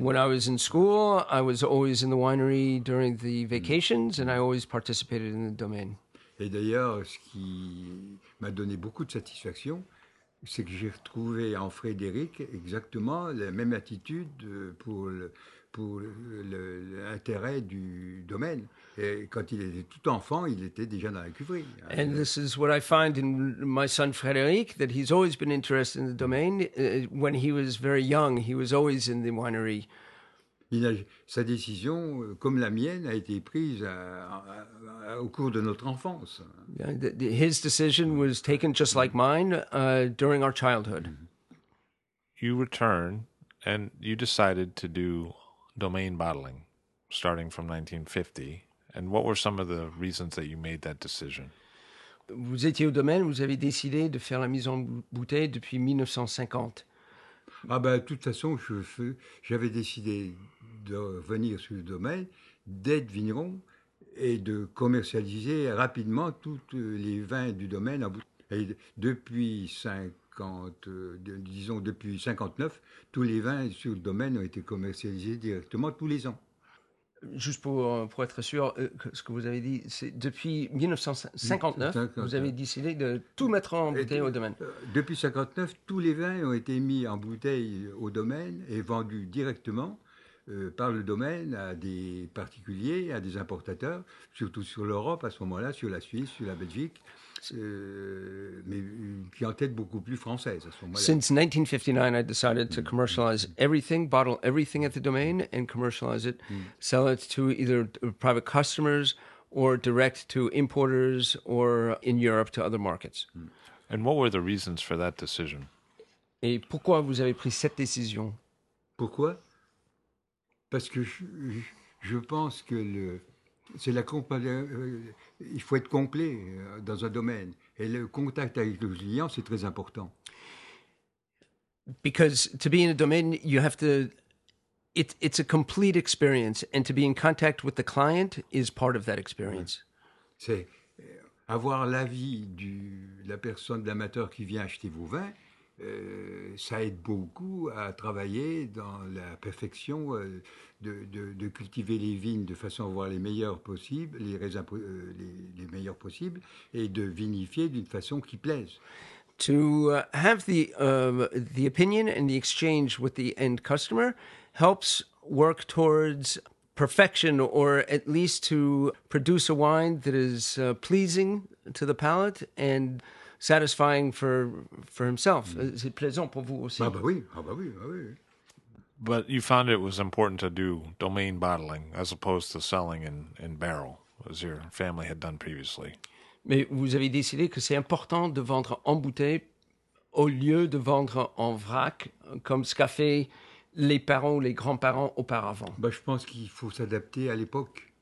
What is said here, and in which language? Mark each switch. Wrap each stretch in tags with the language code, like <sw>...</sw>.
<en>When I was in school, I was always in the winery during the vacations, and I always participated in the domaine.</en> <fr>Et d'ailleurs, ce qui m'a donné beaucoup de satisfaction, c'est que j'ai retrouvé en Frédéric exactement la même attitude pour l'intérêt du domaine. Et quand il était tout enfant, il était déjà dans la cuverie.</fr> <en>And this is what I find in my son Frédéric, that he's always been interested in the domain. When he was very young, he was always in the winery.</en> <fr>Sa décision, comme la mienne, a été prise au cours de notre enfance.</fr> <en>Yeah, his decision was taken just like mine during our childhood. You return and you decided to do domain bottling, starting from 1950. And what were some of the reasons that you made that decision?</en> <fr>Vous étiez au domaine, vous avez décidé de faire la mise en bouteille depuis 1950. Ah ben, de toute façon, j'avais décidé de venir sur le domaine, d'être vigneron et de commercialiser rapidement tous les vins du domaine. Et depuis 59, tous les vins sur le domaine ont été commercialisés directement tous les ans. Juste pour être sûr, ce que vous avez dit, c'est depuis 1959, vous avez décidé de tout mettre en bouteille au domaine. Depuis 1959, tous les vins ont été mis en bouteille au domaine et vendus directement par le domaine à des particuliers, à des importateurs, surtout sur l'Europe à ce moment-là, sur la Suisse, sur la Belgique, mais une clientèle beaucoup plus française à ce moment-là.</fr> <en>Since 1959, I decided to commercialize everything, bottle everything at the domain and commercialize it, sell it to either private customers or direct to importers or in Europe to other markets. And what were the reasons for that decision?</en> <fr>Et pourquoi vous avez pris cette décision? Pourquoi? Parce que je pense que c'est la il faut être complet dans un domaine et le contact avec le client c'est très important.</fr> <en>Because to be in a domain, you have to. It's a complete experience, and to be in contact with the client is part of that experience.</en> <fr>C'est avoir l'avis de la personne, de l'amateur qui vient acheter vos vins. Ça aide beaucoup à travailler dans la perfection de cultiver les vignes de façon à avoir les meilleurs possibles, les raisins les meilleurs possibles, et de vinifier d'une façon qui plaise.</fr> <en>To have the opinion and the exchange with the end customer helps work towards perfection, or at least to produce a wine that is pleasing to the palate and satisfying for himself. Is it</en> <fr>plaisant pour vous aussi? Ah bah oui.</fr> <en>But you found it was important to do domain bottling as opposed to selling in barrel, as your family had done previously.</en> <fr>Mais vous avez décidé que c'est important de vendre en bouteille au lieu de vendre en vrac, comme ce qu'a fait les parents ou les grands-parents auparavant. Bah, je pense qu'il faut s'adapter à l'époque.</fr>